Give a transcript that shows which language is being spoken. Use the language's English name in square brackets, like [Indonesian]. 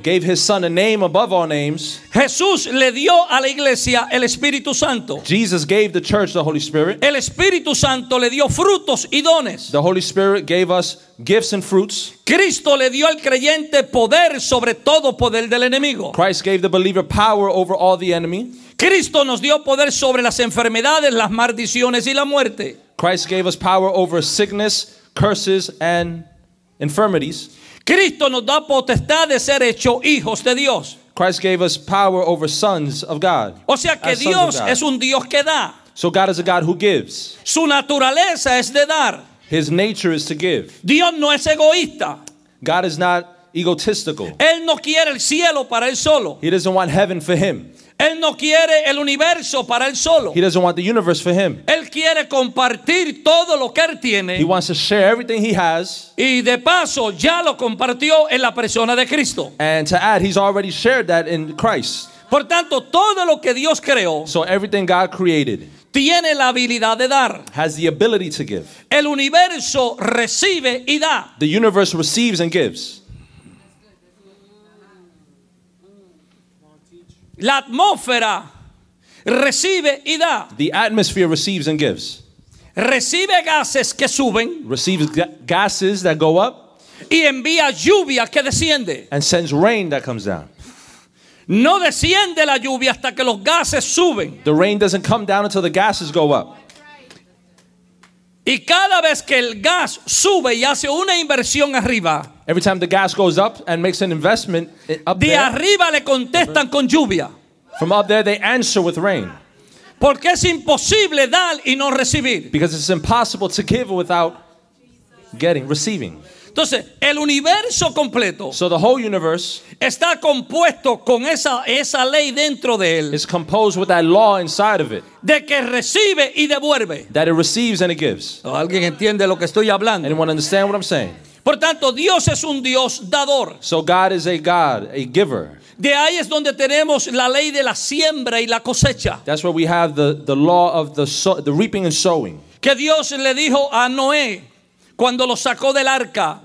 [English] Gave his son a name above all names. [Spanish] Jesús le dio a la iglesia el Espíritu Santo. [English] Jesus gave the church the Holy Spirit. [Spanish] El Espíritu Santo le dio frutos y dones. [English] The Holy Spirit gave us gifts and fruits. [Spanish] Cristo le dio al creyente poder sobre todo poder del enemigo. [English] Christ gave the believer power over all the enemy. [Spanish] Cristo nos dio poder sobre las enfermedades, las maldiciones y la muerte. [English] Christ gave us power over sickness, curses and infirmities. [Spanish] Cristo nos da potestad de ser hecho hijos de Dios. [English] Christ gave us power over sons of God. [Spanish] O sea que Dios es un Dios que da. [English] So God is a God who gives. [Spanish] Su naturaleza es de dar. [English] His nature is to give. [Spanish] Dios no es egoísta. [English] God is not egotistical. [Spanish] Él no quiere el cielo para él solo. [English] He doesn't want heaven for him. [Spanish] Él no quiere el universo para él solo. [English] He doesn't want the universe for him. [Spanish] Él quiere compartir todo lo que él tiene. [English] He wants to share everything he has. [Spanish] Y de paso ya lo compartió en la persona de Cristo. [English] And to add, he's already shared that in Christ. [Spanish] Por tanto, todo lo que Dios creó. [English] So everything God created. [Spanish] Tiene la habilidad de dar. [English] Has the ability to give. [Spanish] El universo recibe y da. [English] The universe receives and gives. [Spanish] La atmósfera recibe y da. [English] The atmosphere receives and gives. [Spanish] Recibe gases que suben. [English] Receives gases that go up. [Spanish] Y envía lluvia que desciende. [English] And sends rain that comes down. [Spanish] No desciende la lluvia hasta que los gases suben. [English] The rain doesn't come down until the gases go up. [Spanish] Y cada vez que el gas sube y hace una inversión arriba. [English] Every time the gas goes up and makes an investment up [Spanish] de [English] there. [Spanish] De arriba le contestan con lluvia. [English] From up there they answer with rain. [Spanish] Porque es imposible dar y no recibir. [English] Because it's impossible to give without getting, receiving. [Spanish] Entonces, el universo completo. [English] So the whole universe. [Spanish] Está compuesto con esa ley dentro de él. [English] Is composed with that law inside of it. [Spanish] De que recibe y devuelve. [English] That it receives and it gives. [Spanish] ¿Alguien entiende lo que estoy hablando? [English] Anyone understand what I'm saying? [Spanish] Por tanto, Dios es un Dios dador. [English] So God is a God, a giver. [Spanish] De ahí es donde tenemos la ley de la siembra y la cosecha. [English] That's where we have the law of the reaping and sowing. [Spanish] Que Dios le dijo a Noé cuando lo sacó del arca.